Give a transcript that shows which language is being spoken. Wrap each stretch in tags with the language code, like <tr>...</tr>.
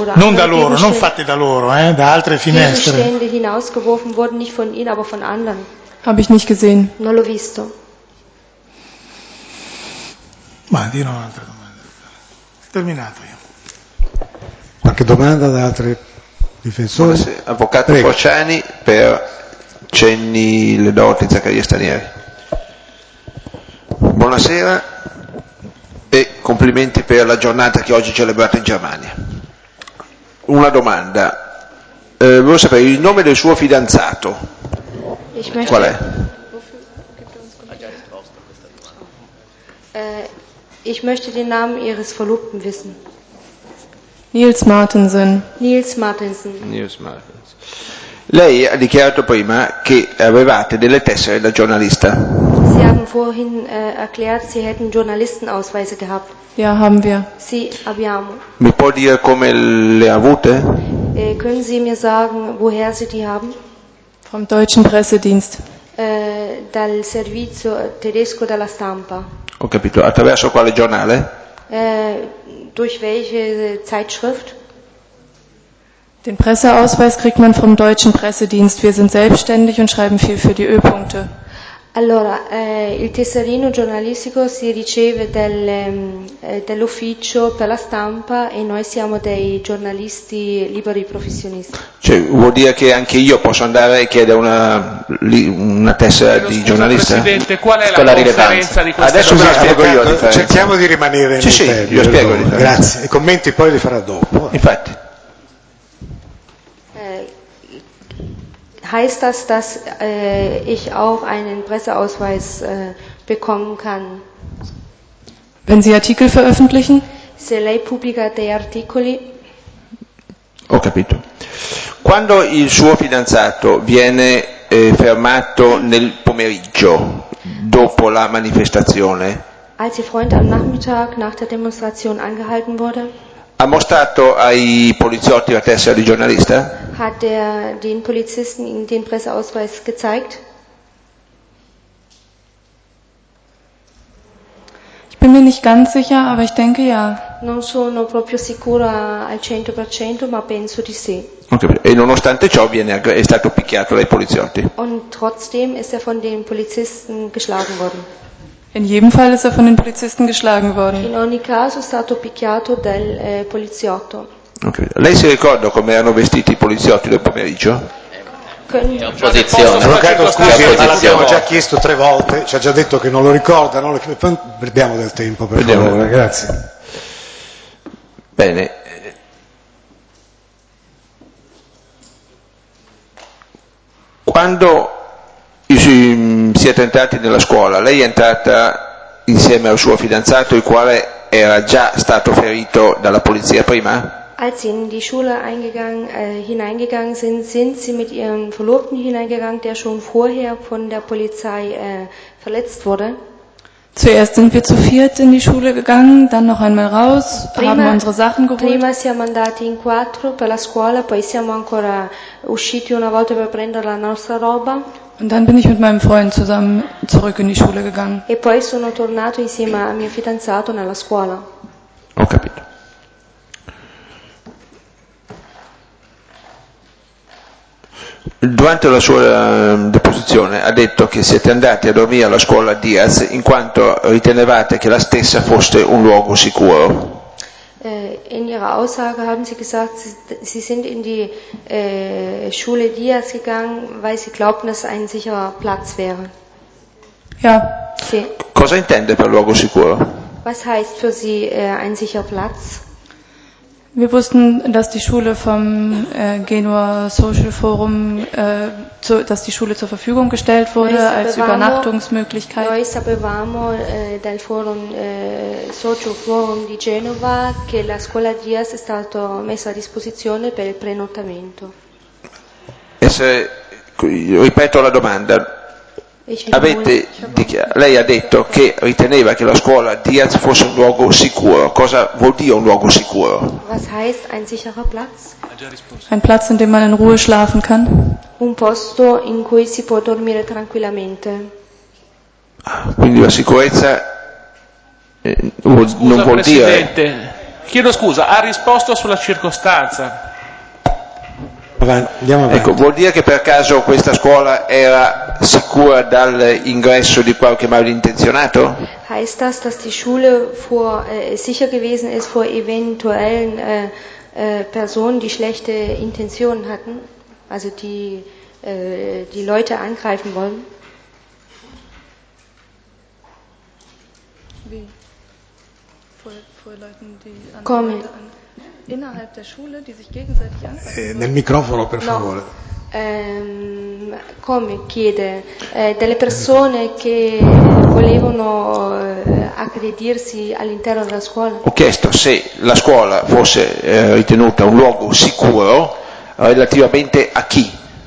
<it>Non da loro, non fatte da loro, da altre finestre.</it> <de>Gegenstände hinausgeworfen wurden nicht von ihnen, aber von anderen. Habe ich nicht gesehen.</de> <it>Non l'ho visto. Ma dirò un'altra domanda. Terminato io. Qualche domanda da altri difensori? Buonasera. Avvocato Fociani per Cenni le doti Zaccaria Stanieri. Buonasera. E complimenti per la giornata che oggi celebrate in Germania. Una domanda. Volevo sapere il nome del suo fidanzato. Qual è?</it> <de>Ich möchte den Namen ihres Verlobten wissen. Nils Martensen. Nils Martensen. Nils Martensen.</de> <it>Lei ha dichiarato prima che avevate delle tessere da giornalista.</it> <de>Sie haben vorhin erklärt, Sie hätten Journalistenausweise gehabt. Ja, haben wir.</de> <it>Sì, abbiamo. Mi può dire come le ha avute?</it> <de>Können Sie mir sagen, woher Sie die haben? Vom deutschen Pressedienst.</de> <it>Dal servizio tedesco della stampa. Ho capito. Attraverso quale giornale?</it> <de>Durch welche Zeitschrift? Den Presseausweis kriegt man vom deutschen Pressedienst. Wir sind selbstständig und schreiben viel für die Ö-Punkte.</de> <it>Allora, il tesserino giornalistico si riceve dell'ufficio per la stampa e noi siamo dei giornalisti liberi professionisti. Cioè, vuol dire che anche io posso andare e chiedere una tessera di giornalista? Presidente, qual è la differenza rilevanza di questa cosa? Adesso ve la spiego io. Cerchiamo di rimanere sì, nel sì, tempo. Sì, io spiego. Grazie. I commenti poi li farà dopo. Infatti.</it> <de>Heißt das, dass ich auch einen Presseausweis bekommen kann? Wenn Sie Artikel veröffentlichen?</de> <it>Se lei pubblica dei articoli. Ho capito. Quando il suo fidanzato viene fermato nel pomeriggio, dopo la manifestazione?</it> <de>Als ihr Freund am Nachmittag nach der Demonstration angehalten wurde?</de> <it>Ha mostrato ai poliziotti la tessera di giornalista?</it> <de>Hat der den Polizisten den Presseausweis gezeigt? Ich bin mir nicht ganz sicher, aber ich denke ja.</de> <it>Non sono proprio sicura al 100%, ma penso di sì. Okay. E nonostante ciò è stato picchiato dai poliziotti?</it> <de>Und trotzdem ist von den Polizisten geschlagen worden. In jedem Fall ist von den Polizisten geschlagen worden.</de> <it>In ogni caso è stato picchiato dal poliziotto. Okay. Lei si ricorda come erano vestiti i poliziotti del pomeriggio? Opposizione. Avvocato, scusi, ma l'abbiamo già chiesto tre volte, ci ha già detto che non lo ricorda, no? Perdiamo del tempo, per favore, grazie. Bene. Quando siete entrati nella scuola, lei è entrata insieme al suo fidanzato, il quale era già stato ferito dalla polizia prima?</it> <de>Als sie in die Schule hineingegangen sind, sind sie mit ihrem Verlobten hineingegangen, der schon vorher von der Polizei verletzt wurde. Zuerst sind wir zu viert in die Schule gegangen, dann noch einmal raus,</de> <it>prima,</it> <de>haben unsere Sachen geholt.</de> <it>Prima siamo andati in quattro per la scuola, poi siamo ancora usciti una volta per prendere la nostra roba.</it> <de>Und dann bin ich mit meinem Freund zusammen zurück in die Schule gegangen.</de> <it>E poi sono tornato insieme a mio fidanzato nella scuola. Ho capito. Durante la sua deposizione ha detto che siete andati a dormire alla scuola Diaz in quanto ritenevate che la stessa fosse un luogo sicuro.</it> <de>In ihrer Aussage haben sie gesagt, sie sind in die Schule Diaz gegangen, weil sie glaubten, dass ein sicherer Platz wäre. Ja.</de> <it>Sì. Cosa intende per luogo sicuro?</it> <de>Was heißt für Sie ein sicher Platz? Wir wussten, dass die Schule vom Genua Social Forum, dass die Schule zur Verfügung gestellt wurde als Übernachtungsmöglichkeit.</de> <it>Noi sapevamo dal forum social forum di Genova che la scuola Diaz è stata messa a disposizione per il prenotamento. Ripeto la domanda. Lei ha detto che riteneva che la scuola Diaz fosse un luogo sicuro. Cosa vuol dire un luogo sicuro?</it> <de>Was heißt ein sicherer Platz? Ein Platz, in dem man in Ruhe schlafen kann.</de> <it>Un posto in cui si può dormire tranquillamente. Quindi la sicurezza non vuol dire. Scusa Presidente, chiedo scusa, ha risposto sulla circostanza. Andiamo avanti. Ecco, vuol dire che per caso questa scuola era sicura dall'ingresso di qualche malintenzionato?</it> <de>Heißt das, dass die Schule vor sicher gewesen ist vor eventuellen Personen, die schlechte Intentionen hatten, also die die Leute angreifen wollen? Wie? Vor Leuten, die andere Leute an. Innerhalb der Schule, die sich gegenseitig anfassen.</de> <it>Nel microfono, per favore. No. Come chiede delle persone che volevano aggredirsi all'interno della scuola. Ho chiesto se la scuola fosse ritenuta un luogo sicuro relativamente a chi?</it>